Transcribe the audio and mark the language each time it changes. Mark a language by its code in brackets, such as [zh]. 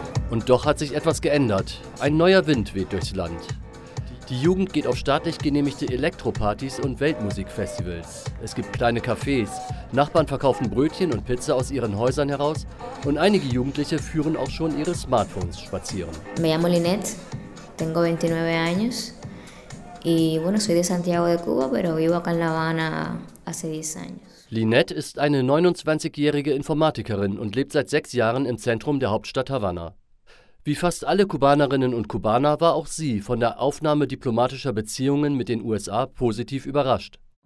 [de] Und doch hat sich etwas geändert. Ein neuer Wind weht durchs Land. Die Jugend geht auf staatlich genehmigte Elektropartys und Weltmusikfestivals. Es gibt kleine Cafés, Nachbarn verkaufen Brötchen und Pizza aus ihren Häusern heraus und einige Jugendliche führen auch schon ihre Smartphones spazieren. [es] Me llamo Linette, tengo 29 años y bueno, soy de Santiago de Cuba, pero vivo acá en La Habana hace 10 años. [de] Linette ist eine 29-jährige Informatikerin und lebt seit 6 Jahren im Zentrum der Hauptstadt Havanna. Wie fast alle Kubanerinnen und Kubaner war auch sie von der Aufnahme diplomatischer Beziehungen mit den USA positiv überrascht.